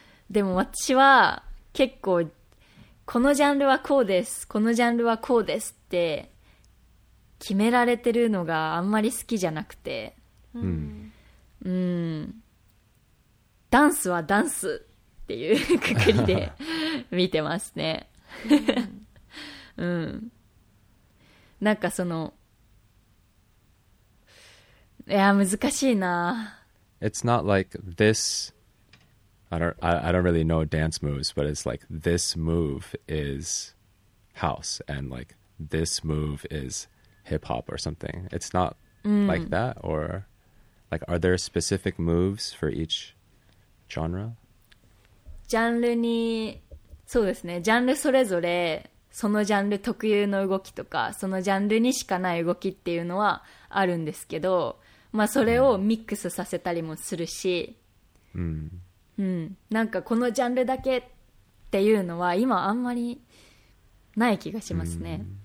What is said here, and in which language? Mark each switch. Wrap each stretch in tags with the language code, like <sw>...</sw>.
<ja>でも私は結構このジャンルはこうです、このジャンルはこうですって決められてるのがあんまり好きじゃなくて、ダンスはダンスっていうくくりで見てますね。なんかその、いや難しいな。</ja> <en>It's not like this. I don't really know dance moves, but it's like this move is house and like this move is hip hop or something. It's not like that, or like are there specific moves for each genre?</en> <ja>ジャンルに、そうですね。ジャンルそれぞれそのジャンル特有の動きとかそのジャンルにしかない動きっていうのはあるんですけど、まあそれをミックスさせたりもするし、なんかこのジャンルだけっていうのは今あんまりない気がしますね。</ja>